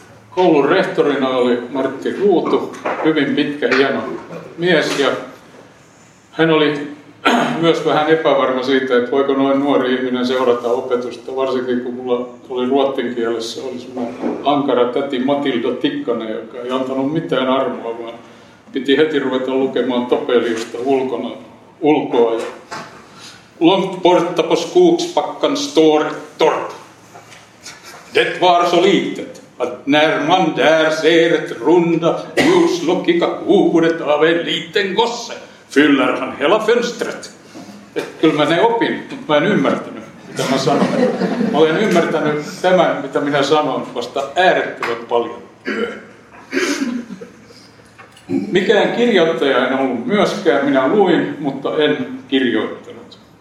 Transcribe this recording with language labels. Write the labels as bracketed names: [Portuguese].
[Finnish] Koulun rehtorina oli Martti Ruutu, hyvin pitkä hieno mies ja hän oli myös vähän epävarma siitä, että voiko noin nuori ihminen seurata opetusta, varsinkin kun mulla oli ruotsin kielessä, oli semmoinen ankara täti Matilda Tikkanen, joka ei antanut mitään armoa, vaan piti heti ruveta lukemaan Topeliusta ulkoa. Ja [Swedish] Långt borta på skogsbacken står ett torp. Det var så litet, att när man där ser ett runda ljuslockiga huvudet av en liten gosse, fyller han hela fönstret. [Finnish] Kyllä mä ne opin, mutta mä en ymmärtänyt, mitä mä sanoin. Mä olen ymmärtänyt tämän, mitä minä sanon, vasta äärettävän paljon. Mikään kirjoittaja en ollut myöskään. Minä luin, mutta en kirjoittanut.